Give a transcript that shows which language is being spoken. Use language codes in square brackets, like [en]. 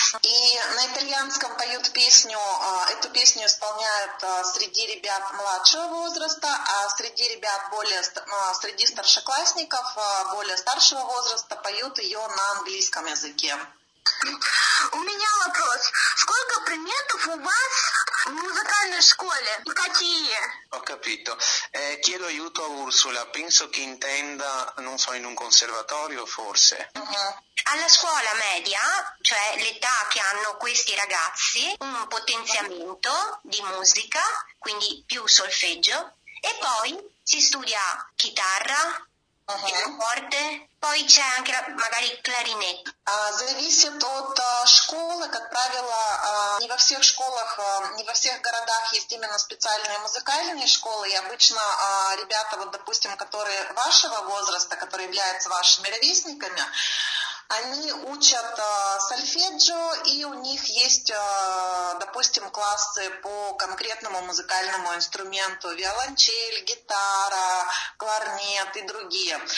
[ru] И на итальянском поют песню, эту песню исполняют среди ребят младшего возраста, а среди ребят среди старшеклассников более старшего возраста поют ее на английском языке. У меня вопрос. Сколько предметов у вас в музыкальной школе? И какие? [it] Ho capito. Chiedo aiuto a Ursula. Penso che intenda, non so, in un conservatorio forse. Alla scuola media, cioè l'età che hanno questi ragazzi, un potenziamento di musica, quindi più solfeggio, e poi si studia chitarra, pianoforte, poi c'è anche magari clarinetto. [ru] Зависит от школы, как правило, не во всех школах, не во всех городах есть именно специальные музыкальные школы, и обычно ребята, вот допустим, которые вашего возраста, которые являются вашими ровесниками, они учат сольфеджио, и у них есть, допустим, классы по конкретному музыкальному инструменту, виолончель, гитара, кларнет и другие.